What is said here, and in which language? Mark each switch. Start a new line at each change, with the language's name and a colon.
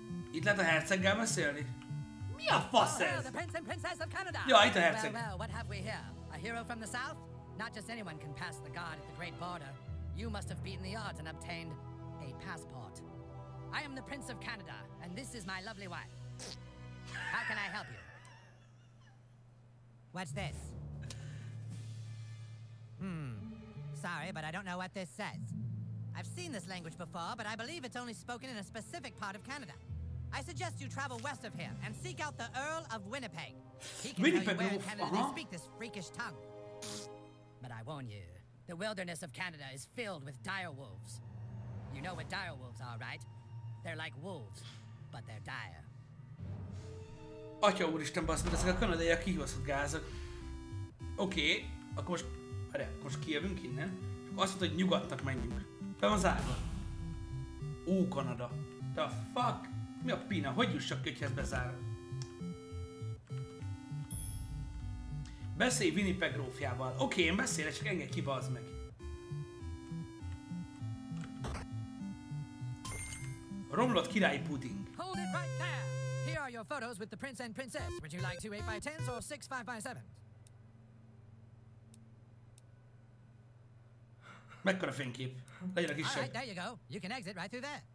Hungarian: Itt lehet a herceggel beszélni? Mi a fasz ez?
English: The prince and princess of Canada.
Hungarian: Ja, itt a herceg.
English: Well, what have we here? A hero from the south? Not just anyone can pass the guard at the great border. You must have beaten the odds and obtained a passport. I am the prince of Canada, and this is my lovely wife. How can I help you? What's this? Sorry, but I don't know what this says. I've seen this language before, but I believe it's only spoken in a specific part of Canada. I suggest you travel west of here and seek out the Earl of Winnipeg. He can tell you where in Canada they speak this freakish tongue. But I warn you, the wilderness of Canada is filled with dire wolves. You know what dire wolves are, right? They're like wolves, but they're dire.
Hungarian: Atya úristen, bassz, mert ezek a kanadaiak kihívaszott gázak. Oké, akkor most... Hát, akkor most kijövünk innen, és azt mondta, hogy nyugodtak menjünk. Be van zárva. Ó, Kanada.
English: The fuck?
Hungarian: Mi a pina? Hogy jussak kötyhez bezárva? Beszélj Winnipeg grófjával. Oké, én beszélek, csak engedj ki, bazd meg. Romlott királyi puding.
English: Hold it right there! Here are your photos with the prince and princess. Would you like 2 8x10s or 6 5x7s?
Hungarian: Mekkora fénykép? Legyen a kisebb.
English: Alright, there you go. You can exit right through there.